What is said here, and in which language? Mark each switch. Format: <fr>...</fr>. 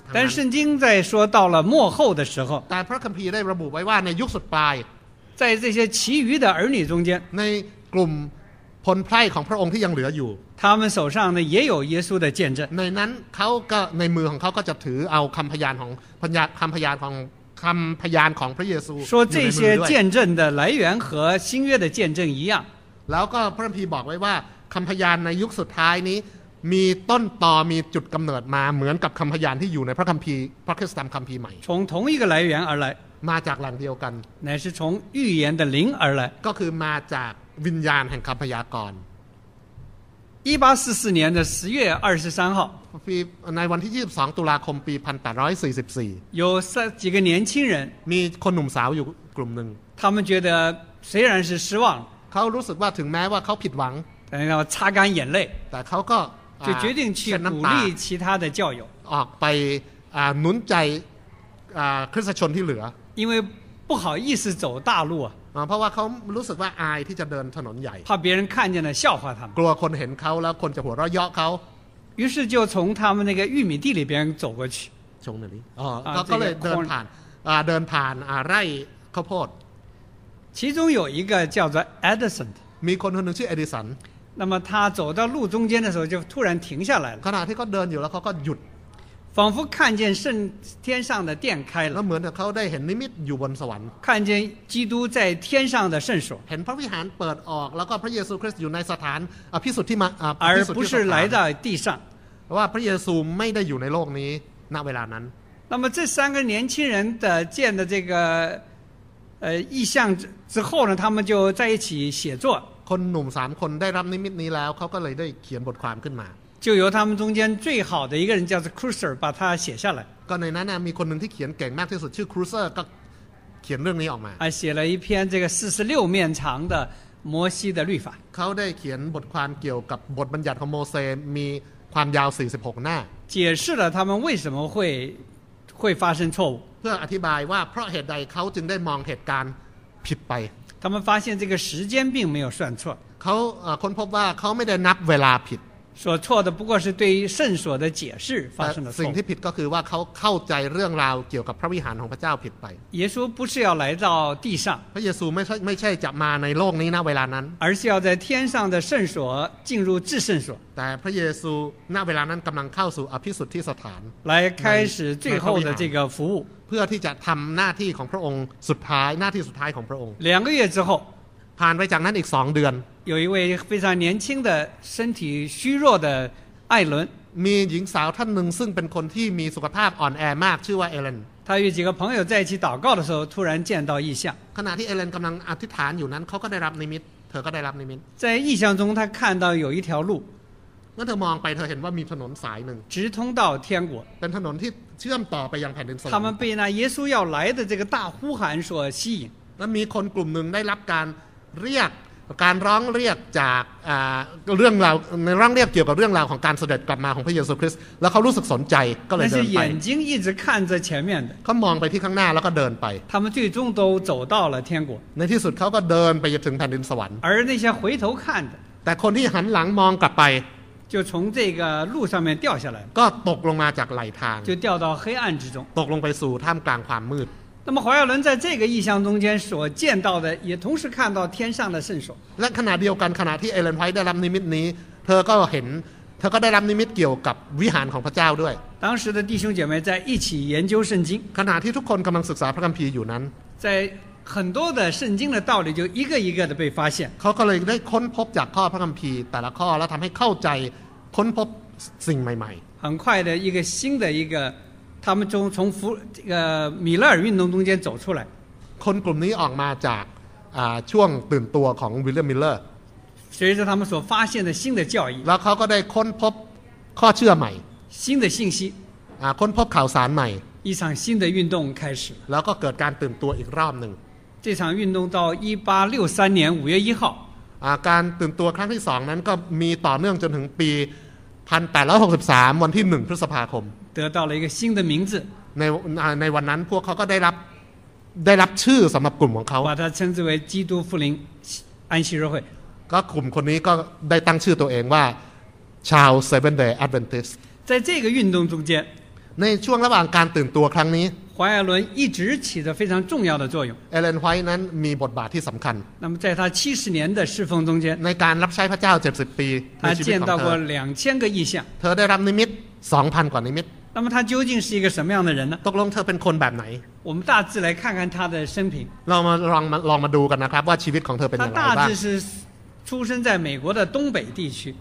<zh>但圣经在说到了末后的时候</zh> <th>แต่พระคัมภีร์ได้ระบุไว้ว่าในยุคสุดปลาย</th> <zh>在这些其余的儿女中间</zh> <th>ในกลุ่มพลไพร่ของพระองค์ที่ยังเหลืออยู่</th> <zh>他们手上呢也有耶稣的见证</zh> <th>ในนั้นเขาก็ในมือของเขาก็จะถือเอาคำพยานของพยานคำพยานของคำพยานของพระเยซู</th> <zh>说这些见证的来源和新约的见证一样</zh> <th>แล้วก็พระคัมภีร์บอกไว้ว่าคำพยานในยุคสุดท้ายนี้มีต้นตอมีจุดกำเนิดมาเหมือนกับคำพยานที่อยู่ในพระคัมภีร์พระคริสตธรรมคัมภีร์ใหม่</th> <zh>从同一个来源而来</zh> <th>มาจากแหล่งเดียวกัน</th> <zh>乃是从预言的灵而来</zh> <th>ก็คือมาจากวิญญาณแห่งคำพยากรณ์</th> <zh>1844年的10月23号</zh> <th>ในวันที่22ตุลาคมปี1844</th> <zh>有几个年轻人</zh> <th>มีคนหนุ่มสาวอยู่กลุ่มหนึ่ง</th> <zh>他们觉得虽然是失望</zh> <th>เขารู้สึกว่าถึงแม้ว่าเขาผิดหวัง</th> <zh>但要擦干眼泪</zh> <th>แต่เขาก็</th> <zh>就决定去鼓励其他的教友</zh> <th>ออกไปหนุนใจคริสตชนที่เหลือ</th> <zh>因为不好意思走大路</zh> <th>เพราะว่าเขารู้สึกว่าอายที่จะเดินถนนใหญ่</th> <zh>怕别人看见了笑话他们</zh> <th>กลัวคนเห็นเขาแล้วคนจะหัวเราะเยาะเขา</th> <zh>于是就从他们那个玉米地里边走过去从那里</zh> <th>ก็เลยเดินผ่านเดินผ่านไร่ข้าวโพด</th> <zh>其中有一个叫做 Edison</zh> <th>มีคนคนหนึ่งชื่อ Edison</th> <zh>那么他走到路中间的时候就突然停下来了</zh> <th>ขณะที่เขาเดินอยู่แล้วเขาก็หยุด</th> <zh>仿佛看见圣天上的殿开了</zh> <th>แล้วเหมือนเขาได้เห็นนิมิตอยู่บนสวรรค์</th> <zh>看见基督在天上的圣所</zh> <th>เห็นพระวิหารเปิดออกแล้วก็พระเยซูคริสต์อยู่ในสถานพิสุทธิ์ที่มา</th> <zh>而不是来到地上</zh> <th>ว่าพระเยซูไม่ได้อยู่ในโลกนี้ณเวลานั้น</th> <zh>那么这三个年轻人的见的这个异象之后呢他们就在一起写作</zh> <th>คนหนุ่ม3คนได้รับนิมิตนี้แล้วเขาก็เลยได้เขียนบทความขึ้นมา</th> <zh>就由他们中间最好的一个人叫做 Crusher 把他写下来</zh> <th>ก็ในนั้นมีคนหนึ่งที่เขียนเก่งมากที่สุดชื่อ Crusher ก็เขียนเรื่องนี้ออกมา</th> <zh>写了一篇这个46面长的摩西的律法</zh> <th>เขาได้เขียนบทความเกี่ยวกับบทบัญญัติของโมเสมีความยาว46หน้า</th> <zh>解释了他们为什么会发生错误</zh> <th>เพื่ออธิบายว่าเพราะเหตุใดเขาจึงได้มองเหตุการณ์ผิดไป</th> <zh>他们发现这个时间并没有算错</zh> <th>เขาค้นพบว่าเขาไม่ได้นับเวลาผิด</th> <zh>所错的不过是对于圣所的解释发生了错</zh> <th>สิ่งที่ผิดก็คือว่าเขาเข้าใจเรื่องราวเกี่ยวกับพระวิหารของพระเจ้าผิดไป</th> <zh>耶稣不是要来到地上</zh> <th>พระเยซูไม่ใช่จะมาในโลกนี้ณเวลานั้น</th> <zh>而是要在天上的圣所进入至圣所</zh> <th>แต่พระเยซูณเวลานั้นกำลังเข้าสู่อภิสุทธิสถาน</th> <zh>来开始最后的这个服务</zh> <th>เพื่อที่จะทำหน้าที่ของพระองค์สุดท้ายหน้าที่สุดท้ายของพระองค์</th> <zh>两个月之后</zh> <th>ผ่านไปจากนั้นอีก2เดือน</th> <zh>有一位非常年轻的身体虚弱的艾伦</zh> <th>มีหญิงสาวท่านหนึ่งซึ่งเป็นคนที่มีสุขภาพอ่อนแอมากชื่อว่าเอเลน</th> <zh>他与几个朋友在一起祷告的时候突然见到异象</zh> <th>ขณะที่เอเลนกำลังอธิษฐานอยู่นั้นเขาก็ได้รับนิมิตเธอก็ได้รับนิมิต</th> <zh>在异象中他看到有一条路</zh> <th>เมื่อเธอมองไปเธอเห็นว่ามีถนนสายหนึ่ง</th> <zh>直通到天国</zh> <th>เป็นถนนที่เชื่อมต่อไปยังแผ่นดินสวรรค์</th> <zh>他们被那耶稣要来的这个大呼喊所吸引</zh> <th>แล้วมีคนกลุ่มหนึ่งได้รับการเรียกการร้องเรียกจากเรื่องราวในร่างเรียกเกี่ยวกับเรื่องราวของการเสด็จกลับมาของพระเยซูคริสต์แล้วเขารู้สึกสนใจก็เลยเดินไป</th> <zh>眼睛一直看着前面的</zh> <th>เขามองไปที่ข้างหน้าแล้วก็เดินไป</th> <zh>他们最终都走到了天国</zh> <th>ในที่สุดเขาก็เดินไปถึงแผ่นดินสวรรค์</th> <zh>而那些回头看的</zh> <th>แต่คนที่หันหลังมองกลับไป</th> <zh>就从这个路上面掉下来</zh> <th>ก็ตกลงมาจากไหลทาง</th> <zh>就掉到黑暗之中</zh> <th>ตกลงไปสู่ท่ามกลางความมืด นั่นหมายความว่าในนี้ก็อีกอย่างหนึ่งที่</th> <zh>所见到的也同时看到天上的圣所</zh> <th>และขณะเดียวกันขณะที่เอเลนไพร์ได้รับนิมิตนี้เธอก็เห็นเธอก็ได้รับนิมิตเกี่ยวกับวิหารของพระเจ้าด้วย</th> <zh>当时的弟兄姐妹在一起研究圣经</zh> <th>ขณะที่ทุกคนกำลังศึกษาพระคัมภีร์อยู่นั้น</th> <zh>在很多的圣经的道理就一个一个的被发现</zh> <th>เขาก็เลยได้ค้นพบจากข้อพระคัมภีร์แต่ละข้อแล้วทำให้เข้าใจค้นพบสิ่งใหม่</th> <zh>ๆ很快的一个新的一个他们从这个米勒尔运动中间走出来</zh> <th>คนกลุ่มนี้ออกมาจากช่วงตื่นตัวของวิลเลียมมิลเลอร์</th> <zh>随着他们所发现的新的教义</zh> <th>แล้วเขาก็ได้ค้นพบข้อเชื่อใหม่</th> <zh>新的信息</zh> <th>ค้นพบข่าวสารใหม่</th> <zh>一场新的运动开始</zh> <th>แล้วก็เกิดการตื่นตัวอีกรอบหนึ่ง</th> <zh>这场运动到1863年5月1号</zh> <th>การตื่นตัวครั้งที่2นั้นก็มีต่อเนื่องจนถึงปี1863วันที่1พฤษภาคม</th> <zh>得到了一个新的名字</zh> <th>ในวันนั้นพวกเขาก็ได้รับชื่อสำหรับกลุ่มของเขา ว่าถ้าชื่อจะเป็นจีดูฟูลิงอันชิโรเฮ ก็กลุ่มคนนี้ก็ได้ตั้งชื่อตัวเองว่าชาวเซเว่นเดย์แอดเวนทิสต์</th> <zh>ใน这个运动中间</zh> <th>ในช่วงระหว่างการตื่นตัวครั้งนี้</th> <zh>怀尔伦一直起着非常重要的作用</zh> <th>เอเลนไวท์นั้นมีบทบาทที่สำคัญ</th> <zh>那么在他70年的侍奉中间</zh> <th>ในการรับใช้พระเจ้า70ปี เธอ</th> <zh>见到过2000个异象</zh> <th>เธอได้รับนิมิต2000กว่านิมิต</th> <zh>那么他究竟是一个什么样的人呢</zh> <th>ตกลงเธอเป็นคนแบบไหน</th> <zh>我们大致来看看他的生平</zh> <th>เรามาลองมาดูกันนะครับว่าชีวิตของเธอเป็นอย่างไรบ้าง เธอ</th> <zh>大致是出生在美国的东北地区</zh>